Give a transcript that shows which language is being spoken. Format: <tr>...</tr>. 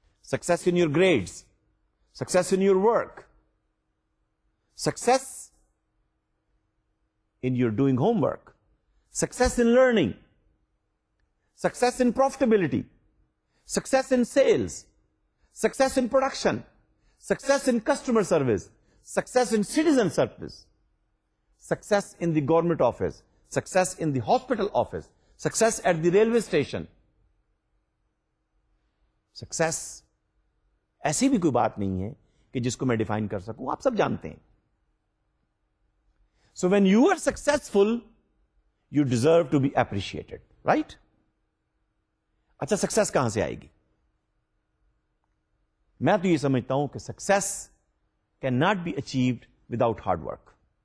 <en>Success in your grades, success in your work, success in your doing homework, success in learning, success in profitability, success in sales, success in production, success in customer service, success in citizen service, success in the government office, success in the hospital office, success at the railway station.</en> <ur>Success, ایسی بھی کوئی بات نہیں ہے کہ جس کو میں ڈیفائن کر سکوں, آپ سب جانتے ہیں.</ur> <en>So when you are successful, you deserve to be appreciated, right?</en> <ur>اچھا success کہاں سے آئے گی؟ میں تو یہ سمجھتا ہوں کہ</ur> <en>success cannot be achieved without hard work.</en>